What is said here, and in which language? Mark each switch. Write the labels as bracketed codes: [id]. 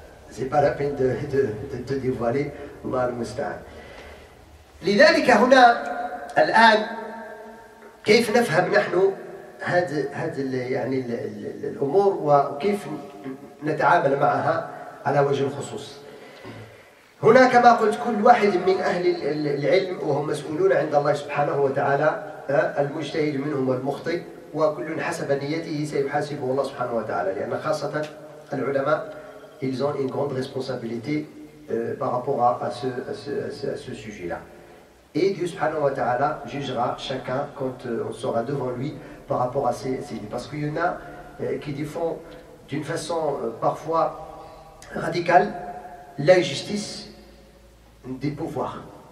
[fr] Ce n'est pas la peine de te dévoiler, [ar] Allah al-Musta'an. Lidhalika huna, al-an, كيف نفهم نحن هذه يعني الأمور وكيف نتعامل معها على وجه الخصوص؟ هنا كما قلت كل واحد من أهل العلم وهم مسؤولون عند الله سبحانه وتعالى المجتهد منهم والمخطئ وكل حسب نيته سيحاسبه الله سبحانه وتعالى لأن خاصة العلماء [fr] ils ont une grande responsabilité par rapport à ce sujet-là. Et Dieu subhanahu wa ta'ala jugera chacun quand on sera devant lui par rapport à ses idées. Parce qu'il y en a qui défendent d'une façon parfois radicale la justice des pouvoirs.